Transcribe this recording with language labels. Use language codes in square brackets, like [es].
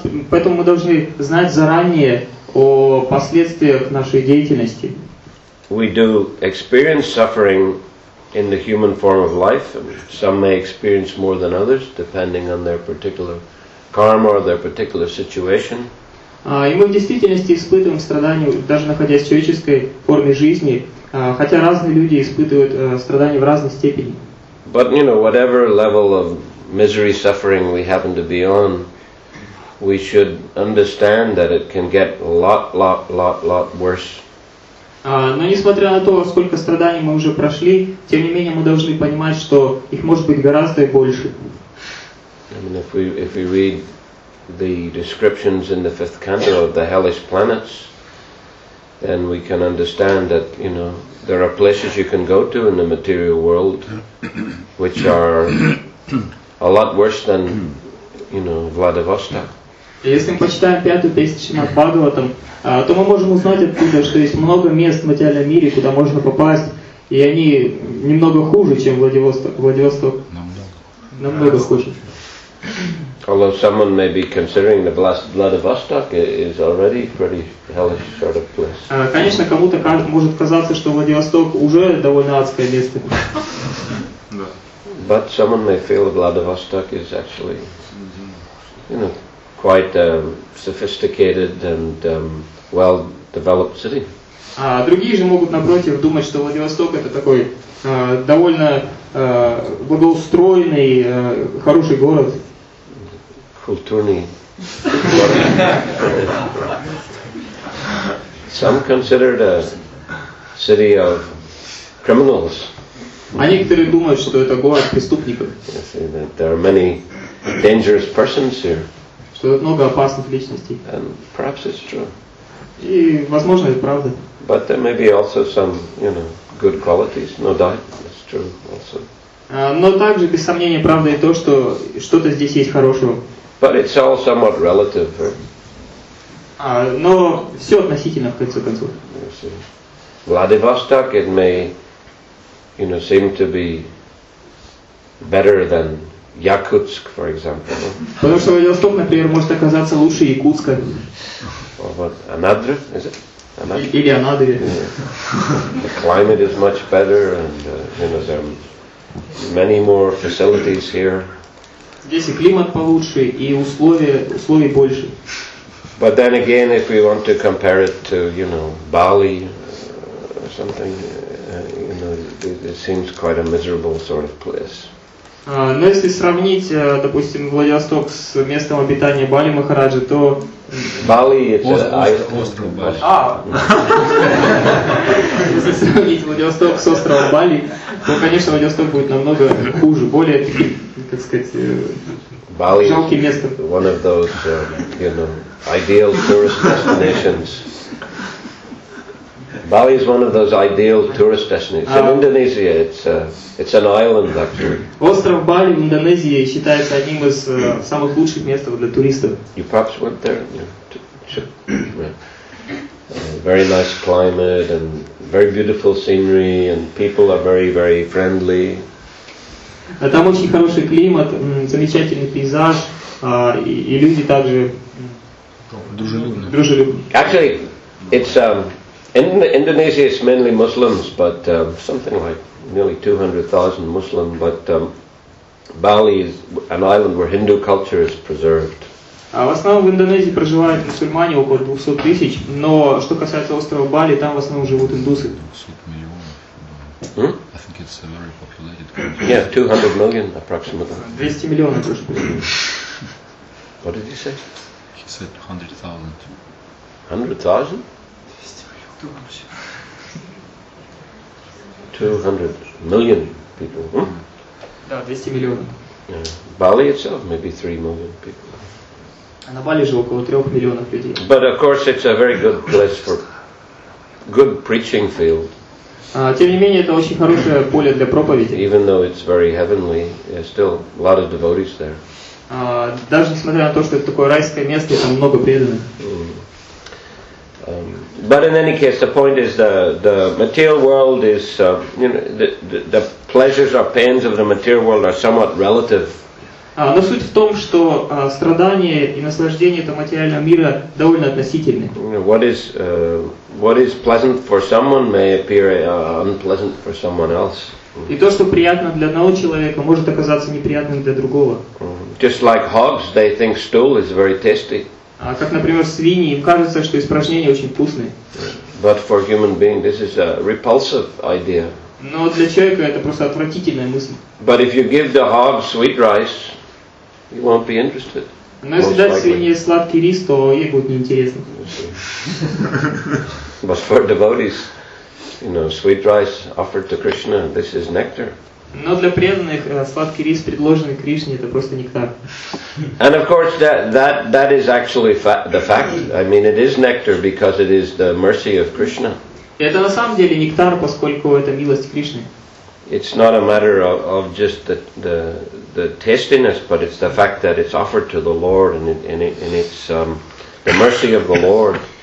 [ru] Поэтому мы должны знать заранее о последствиях нашей деятельности. [en] We do experience suffering in the human form of life. Some may experience more than others, depending on their particular karma or their particular situation. [ru] И мы в действительности испытываем страдания, даже находясь в человеческой форме жизни, хотя разные люди испытывают страдания в разной степени. [en] But you know, whatever level of misery, suffering we happen to be on, we should understand that it can get lot worse. [ru] Но несмотря на то, сколько страданий мы уже прошли, тем не менее мы должны понимать, что их может быть гораздо больше. [en] I mean, if we read the descriptions in the fifth canto of the hellish planets, then we can understand that, you know, there are places you can go to in the material world which are a lot worse than, you know, Vladivostok. [ru] Если мы почитаем пятую песню Шримад-Бхагаватам, то мы можем узнать оттуда, что есть много мест в материальном мире, куда можно попасть, и они немного хуже, чем Владивосток. Намного хуже. [en] Although someone may be considering the Vladivostok is already pretty hellish sort of place. [ru] Конечно, кому-то может казаться, что Владивосток уже довольно адское место. [en] But someone may feel Vladivostok is actually, you know, quite a sophisticated and well-developed city. [ru] Другие же могут напротив думать, что Владивосток это такой довольно благоустроенный хороший город. Культурный. [en] Some consider it a city of criminals. [ru] А некоторые думают, что это город преступников. [en] Yes, there are many dangerous persons here. [ru] Что тут много опасных личностей. [en] And perhaps it's true. [ru] И, возможно, это правда. [en] But there may be also some, you know, good qualities. No doubt, it's true also. [ru] Но также, без сомнения, правда и то, что что-то здесь есть хорошего. [en] But it's all somewhat relative. [ru] Но все относительно, в конце концов. [en] Yes, Vladivostok, it may, you know, seem to be better than Якутск, for example. [ru] Потому что Владивосток, например, может оказаться лучше Якутска. Вот Анадыря, [en] is it? [ru] Анадыря. Или Анадыря. [en] The climate is much better, and you know, there are many more facilities here. [ru] Здесь и климат получше, и условий больше. [en] But then again, if we want to compare it to, you know, Bali or something, you know, it seems quite a miserable sort of place. [ru] Но если сравнить, допустим, Владивосток с местом обитания Бали Махараджи, то... Бали — это остров Бали. Если сравнить Владивосток с островом Бали, то, конечно, Владивосток будет намного хуже, более, так сказать, жалким местом. [en] Бали — one of those, you know, ideal tourist destinations. Bali is one of those ideal tourist destinations. In Indonesia, it's an island, actually. [ru] Остров Бали в Индонезии считается одним из самых лучших мест для туристов. [en] You perhaps went there. Very nice climate and very beautiful scenery and people are very, very friendly. [ru] Там очень хороший климат, замечательный пейзаж, и люди также дружелюбные. [en] Actually, it's Indonesia is mainly Muslims, but something like nearly 200,000 Muslim. But Bali is an island where Hindu culture is preserved. [ru] В основном в Индонезии проживают мусульмане около 200 тысяч, но что касается острова Бали, там в основном живут индусы. 200 миллионов. [en] I think it's a very populated country. Yeah, 200 million approximately. 200 million. What did he say? He said 200,000. 100,000? 200 million people. Hmm? Yeah. Bali itself, maybe 3 million people. But of course, it's a very good place for good preaching field. [ru] Тем не менее, это очень хорошее поле для проповеди. [en] Even though it's very heavenly, there's still a lot of devotees there. [ru] Даже несмотря на то, что это такое райское место, там много преданных. [en] But in any case, the point is the material world is, you know, the pleasures or pains of the material world are somewhat relative. [ru] Но суть в том, что страдания и наслаждения этого материального мира довольно относительны. [en] What is pleasant for someone may appear unpleasant for someone else. [ru] И то, что приятно для одного человека, может оказаться неприятным для другого. [en] Just like hogs, they think stool is very tasty. [ru] Как, например, свиньи, им кажется, что испражнения очень вкусные. [en] But for human being, this is a repulsive idea. [ru] Но для человека это просто отвратительная мысль. [en] But if you give the hog sweet rice, he won't be interested. [ru] Но если дать свинье сладкий рис, то ей будет неинтересно. [en] But for devotees, you know, sweet rice offered to Krishna, this is nectar. [ru] Но для преданных сладкий рис, предложенный Кришне, это просто нектар. [en] And of course that is actually the fact. I mean, it is nectar because it is the mercy of Krishna. [ru] Это на самом деле нектар, поскольку это милость Кришны. [en] It's not a matter of just the tastiness, but it's the fact that it's offered to the Lord and it's the mercy of the Lord.